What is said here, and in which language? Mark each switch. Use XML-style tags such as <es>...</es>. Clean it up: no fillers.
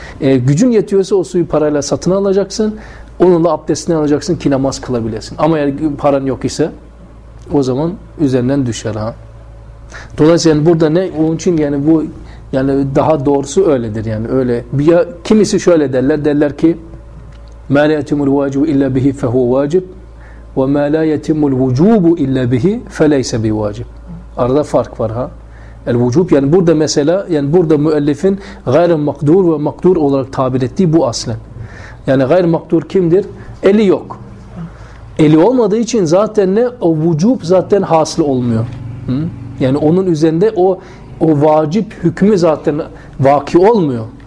<tr>Gücün yetiyorsa o suyu parayla satın alacaksın, onunla abdestini alacaksın ki namaz kılabilesin. Ama eğer paran yok ise o zaman üzerinden düşer. Ha. Dolayısıyla yani burada ne? Onun için yani bu, yani daha doğrusu öyledir. Yani öyle. Bir ya, kimisi şöyle derler. Derler ki</tr> <ar>مَا لَا يَتِمُ الْوَاجِبُ اِلَّا بِهِ فَهُوَ وَاجِبُ وَمَا لَا يَتِمُ الْوُجُوبُ اِلَّا بِهِ فَلَيْسَ بِوَاجِبُ.</ar> <tr>Arada fark var ha. El-vucub, yani burada mesela, yani burada müellifin gayr-ı makdur ve makdur olarak tabir ettiği bu aslen. Yani gayr-ı makdur kimdir? Eli yok. Eli olmadığı için zaten ne? O vucub zaten hasıl olmuyor. Hı? Yani onun üzerinde o vacip hükmü zaten vaki olmuyor.</tr>